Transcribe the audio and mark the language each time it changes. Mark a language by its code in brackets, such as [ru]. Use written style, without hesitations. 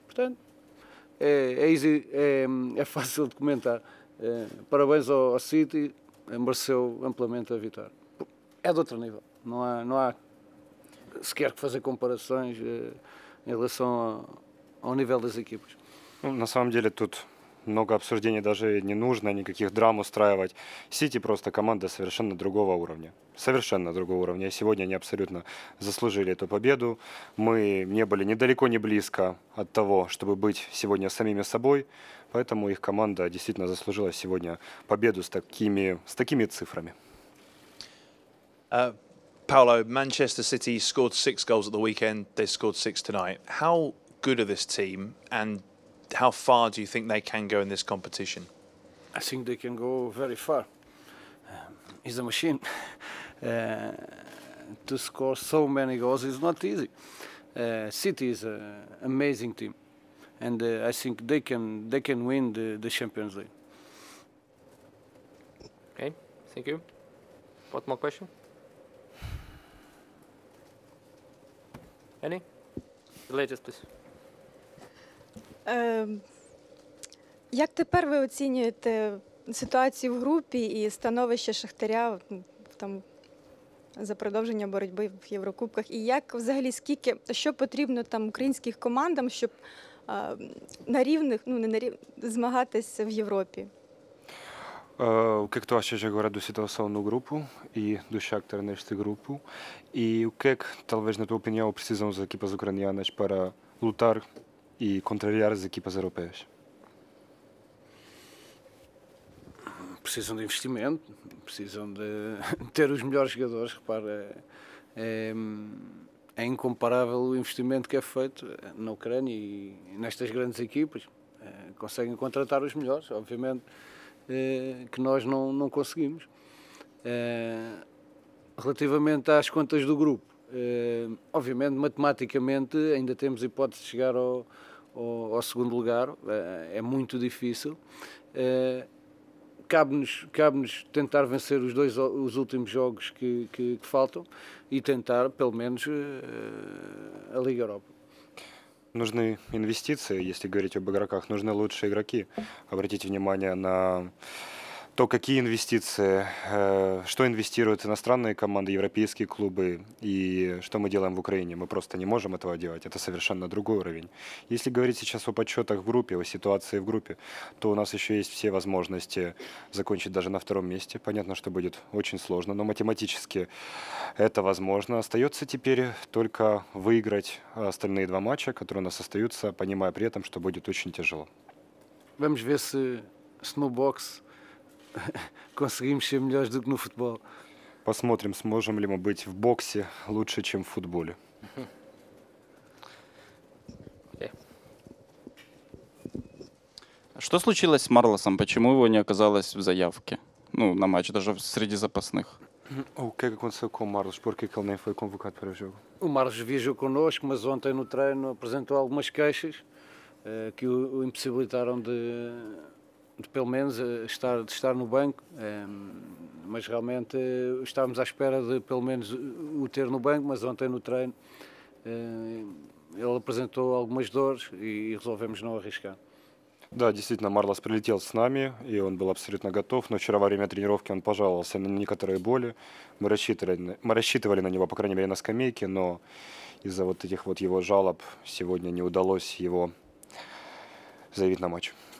[pt] Portanto, é fácil de comentar. Parabéns ao City, mereceu amplamente a vitória. É de outro nível, não há sequer que fazer comparações em relação ao nível das equipas. [ru] Na самом деле, [pt] tudo. [ru] Много обсуждений даже не нужно, никаких драм устраивать. Сити просто команда совершенно другого уровня. Совершенно другого уровня. Сегодня они абсолютно заслужили эту победу. Мы не были недалеко, не близко от того, чтобы быть сегодня самими собой. Поэтому их команда действительно заслужила сегодня победу с такими цифрами. [en] Paulo, Manchester City scored 6 goals at the weekend. They scored 6 tonight. How good are this team and how far do you think they can go in this competition? I think they can go very far. It's a machine. To score so many goals is not easy. City is an amazing team. And I think they can win the Champions League. Okay, thank you. One more question? Any? The latest, please. [uk] Як тепер ви оцінюєте ситуацію в групі і становище Шахтаря там за продовження боротьби в Єврокубках? І як взагалі скільки що потрібно там українським командам, щоб на рівних, ну не на рівних, змагатися в Європі? [pt] O que é que tu achas agora da situação no grupo e do Shakhtar neste grupo? E o que é que talvez na tua opinião precisam as equipas ucranianas para lutar e contrariar as equipas europeias? Precisam de investimento, precisam de ter os melhores jogadores. Repara, é incomparável o investimento que é feito na Ucrânia e nestas grandes equipas. Conseguem contratar os melhores, obviamente, que nós não conseguimos. Relativamente às contas do grupo, obviamente, matematicamente, ainda temos hipótese de chegar ao segundo lugar, é muito difícil. Cabe-nos tentar vencer os últimos jogos que faltam e tentar, pelo menos, a Liga Europa. [ru] Нужны инвестиции, если говорить об игроках, нужны лучшие игроки. Обратите внимание на то, какие инвестиции, что инвестируют иностранные команды, европейские клубы, и что мы делаем в Украине. Мы просто не можем этого делать, это совершенно другой уровень. Если говорить сейчас о подсчетах в группе, о ситуации в группе, то у нас еще есть все возможности закончить даже на втором месте. Понятно, что будет очень сложно, но математически это возможно. Остается теперь только выиграть остальные два матча, которые у нас остаются, понимая при этом, что будет очень тяжело. [pt] Vamos ver se Snowbox conseguimos ser melhores do que no futebol. [ru] Посмотрим, сможем ли мы быть в боксе лучше, чем в футболе. Что случилось с Марлосом? Почему его не оказалось в заявке? Ну, на матч, даже среди запасных. [pt] O que é que aconteceu com o Marlos? Por que ele nem foi convocado para o jogo? O Marlos viajou connosco, mas ontem no treino apresentou algumas queixas que o impossibilitaram de pelo menos estar no banco, mas realmente estávamos à espera de pelo menos o ter no banco, mas ontem no treino ele apresentou algumas dores e resolvemos não arriscar. [ru] Да, действительно, Марлос прилетел с нами, и он был абсолютно готов. Но вчера во время тренировки он пожаловался на некоторые боли. Мы рассчитывали на него, по крайней мере, на скамейке, но из-за вот этих вот его жалоб сегодня не удалось его заявить на матч.